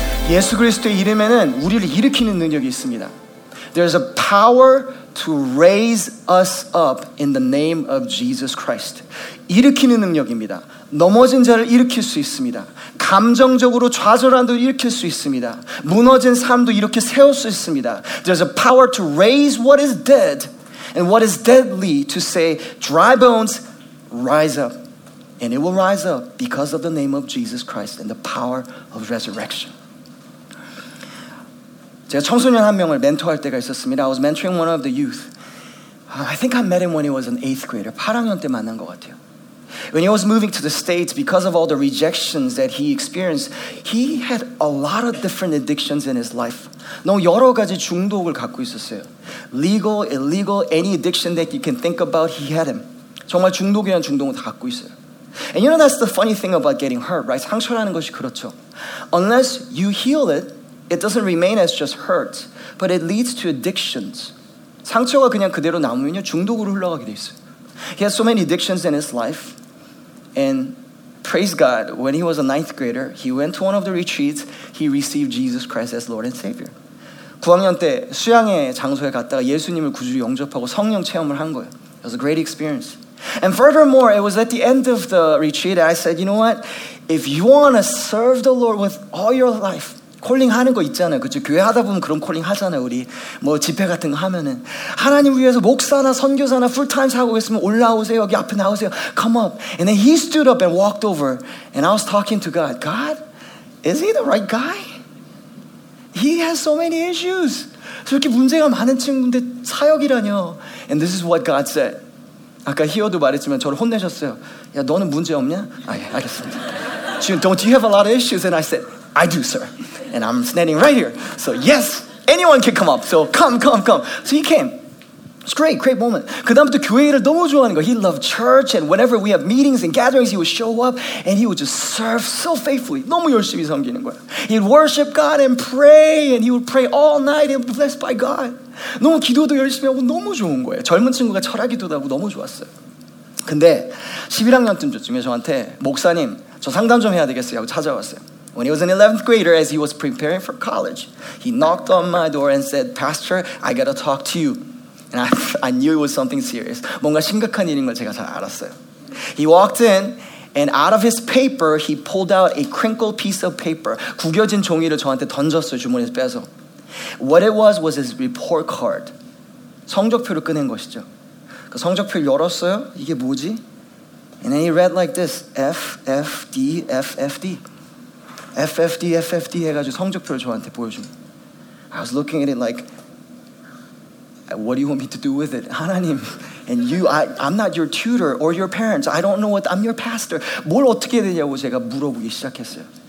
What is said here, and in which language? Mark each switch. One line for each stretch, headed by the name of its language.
Korean: 예수 그리스도의 이름에는 우리를 일으키는 능력이 있습니다.
English: There's a power to raise us up in the name of Jesus Christ.
Korean: 일으키는 능력입니다. 넘어진 자를 일으킬 수 있습니다. 감정적으로 좌절한도 일으킬 수 있습니다. 무너진 사람도 이렇게 세울 수 있습니다.
English: There's a power to raise what is dead and what is deadly to say, dry bones, rise up. And it will rise up because of the name of Jesus Christ and the power of resurrection.
Korean: 제가 청소년 한 명을 멘토할 때가 있었습니다.
English: I was mentoring one of the youth. I think I met him when he was an 8th grader.
Korean: 8학년 때 만난 것 같아요.
English: When he was moving to the States, because of all the rejections that he experienced, he had a lot of different addictions in his life.
Korean: 너무 여러 가지 중독을 갖고 있었어요.
English: Legal, illegal, any addiction that you can think about, he had him.
Korean: 정말 중독이란 중독을 다 갖고 있어요.
English: And you know that's the funny thing about getting hurt, right?
Korean: 상처라는 것이 그렇죠.
English: Unless you heal it, it doesn't remain as just hurt, but it leads to addictions.
Korean: 상처가 그냥 그대로 남으면 중독으로 흘러가게 돼 있어요.
English: He had so many addictions in his life. And praise God, when he was a 9th grader, he went to one of the retreats. He received Jesus Christ as Lord and Savior.
Korean: 9학년 때 수양회 장소에 갔다가 예수님을 구주 영접하고 성령 체험을 한 거예요.
English: It was a great experience. And furthermore, it was at the end of the retreat, I said, you know what? If you want to serve the Lord with all your life, calling
Korean: 하는 거 있잖아요. 그렇죠? 교회 하다 보면 그런 calling 하잖아요. 우리 뭐 집회 같은 거 하면은 하나님 위해서 목사나 선교사나 풀타임 사고 있으면 올라오세요. 여기 앞에 나오세요.
English: Come up. And then he stood up and walked over. And I was talking to God. God, is he the right guy? He has so many issues.
Korean: 저렇게 문제가 많은 친구인데 사역이라뇨.
English: And this is what God said.
Korean: 아까 히어도 말했지만 저를 혼내셨어요. 야, 너는 문제 없냐? 아, 예, 알겠습니다.
English: Don't you have a lot of issues? And I said, I do, sir. And I'm standing right here. So yes, anyone can come up. So come, come, come. So he came. It's great, great moment.
Korean: 그다음부터 교회를 너무 좋아하는 거.
English: He loved church. And whenever we have meetings and gatherings, he would show up. And he would just serve so faithfully.
Korean: 너무 열심히 섬기는 거야.
English: He'd worship God and pray. And he would pray all night and be blessed by God.
Korean: 너무 기도도 열심히 하고 너무 좋은 거예요. 젊은 친구가 철학기도도 하고 너무 좋았어요. 근데 11학년쯤에 저한테 목사님, 저 상담 좀 해야 되겠어요 하고 찾아왔어요.
English: When he was an 11th grader, as he was preparing for college, he knocked on my door and said, Pastor, I gotta talk to you. And I knew it was something serious.
Korean: 뭔가 심각한 일인 걸 제가 잘 알았어요.
English: He walked in, and out of his paper, he pulled out a crinkled piece of paper.
Korean: 구겨진 종이를 저한테 던졌어요, 주머니에서 빼서.
English: What it was his report card.
Korean: 성적표를 꺼낸 것이죠. 그 성적표를 열었어요. 이게 뭐지?
English: And then he read like this.
Korean: F, F, D, F, F, D. FFD, FFD 해가지고 성적표를 저한테 보여준.
English: I was looking at it like, what do you want me to do with it? 하나님, and you, I'm not your tutor or your parents. I don't know what, I'm your pastor.
Korean: 뭘 어떻게 해야 되냐고 제가 물어보기 시작했어요.